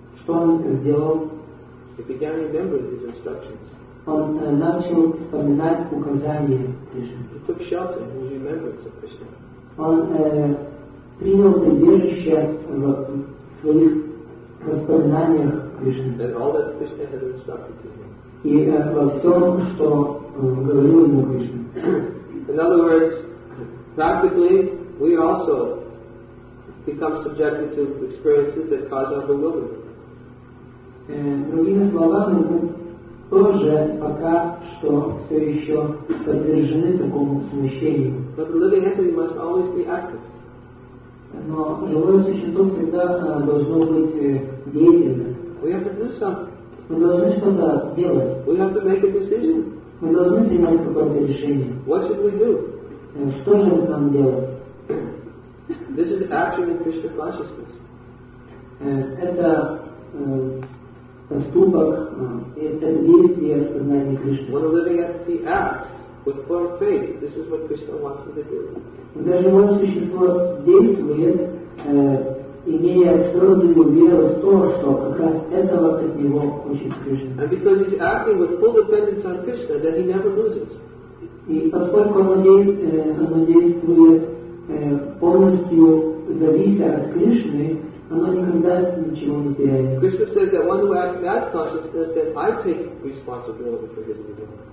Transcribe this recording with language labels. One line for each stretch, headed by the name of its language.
Russian: Что он сделал?
English: He began remembering his instructions.
Russian: Он начал вспоминать указания Кришны.
English: He took shelter in his remembrance of Krishna.
Russian: Он принял прибежище в своих воспоминаниях Кришны.
English: And all that Krishna had instructed to him.
Russian: И во всем, что говорил ему Кришна.
English: In other words, practically, we also become subjected to experiences that cause our bewilderment.
Russian: Другими словами, мы тоже пока что все еще подвержены такому смущению.
English: But the living entity must always be active.
Russian: Но живое существо всегда должно быть деятельным.
English: We have to do something.
Russian: Мы должны что-то делать.
English: We have to make a decision.
Russian: Мы должны принять какое-то решение.
English: What should we do?
Russian: Что же мы там делаем?
English: This is action in Krishna consciousness.
Russian: Это поступок, это действие в сознании Кришны.
English: When a living entity acts with full faith, this is what Krishna wants you to do.
Russian: Когда живое существо действует, имея твердую веру в то, что как раз этого от него хочет Кришна.
English: And because he's acting with full dependence on Krishna, then he never loses.
Russian: И поскольку оно действует полностью зависит от Кришны, оно никогда ничего не теряет.
English: Krishna says that one who acts that consciousness, then I take responsibility for his result.